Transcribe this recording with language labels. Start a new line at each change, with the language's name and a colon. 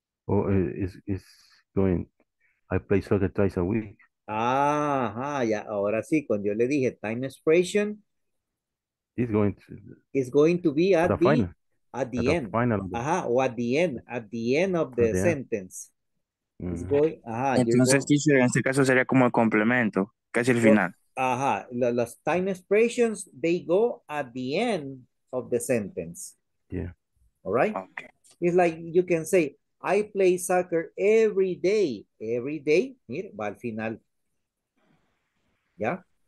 English: Oh, it's going. I play soccer twice a week.
Spanish: Ajá, ya, ahora sí, cuando yo le dije
English: time expression, it's going to be at the end.
Spanish: Ajá, o
English: at the end of the sentence.
Spanish: Entonces,
English: teacher,
Spanish: en este caso sería como el complemento, casi el final. Ajá, las time expressions,
English: they go at the end of the sentence. Yeah. All right? Okay. It's like you can say, I play soccer every day. Every day,
Spanish: mire, va al final. ¿Ya?